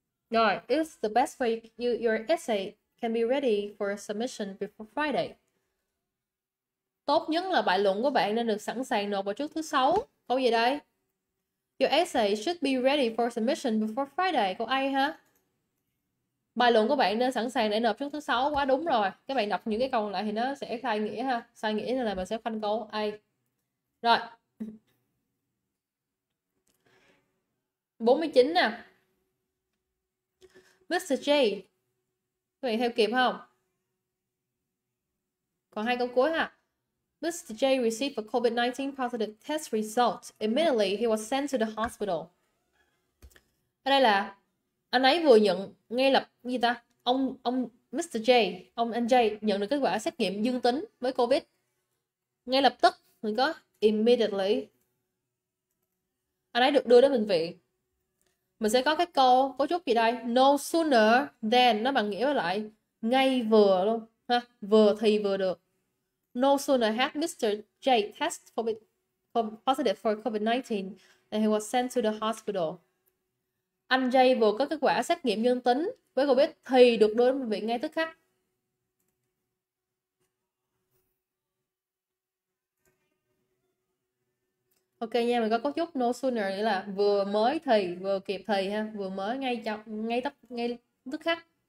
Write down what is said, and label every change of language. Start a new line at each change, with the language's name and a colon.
English: Rồi, it's the best way your essay can be ready for submission before Friday.
Vietnamese: Tốt nhất là bài luận của bạn nên được sẵn sàng nộp vào trước thứ sáu. Câu gì đây?
English: Your essay should be ready for submission before Friday.
Vietnamese: Câu A ha? Bài luận của bạn nên sẵn sàng để nộp trước thứ sáu. Quá đúng rồi. Các bạn đọc những cái câu lại thì nó sẽ sai nghĩa ha. Sai nghĩa nên là mình sẽ phanh câu A. Rồi. 49 nè. Mr. J. Các bạn theo kịp không? Còn hai câu cuối ha.
English: Mr. J received a COVID-19 positive test result. Immediately, he was sent to the hospital.
Vietnamese: Ở đây là anh ấy vừa nhận ngay lập gì ta? Ông Mr. J, ông anh J nhận được kết quả xét nghiệm dương tính với COVID. Ngay lập tức, mình có immediately. Anh ấy được đưa đến bệnh viện. Mình sẽ có cái câu cấu trúc gì đây? No sooner than nó bằng nghĩa với lại ngay vừa luôn ha. Vừa thì vừa được.
English: No sooner had Mr. J test positive for COVID-19 than he was sent to the hospital.
Vietnamese: Anh J vừa có kết quả xét nghiệm dương tính với COVID thì được đưa đến bệnh viện ngay tức khắc. Ok nha, mình có cấu trúc no sooner nghĩa là vừa mới thì, vừa kịp thì ha, vừa mới ngay chọc, ngay tấp, ngay tức khắc.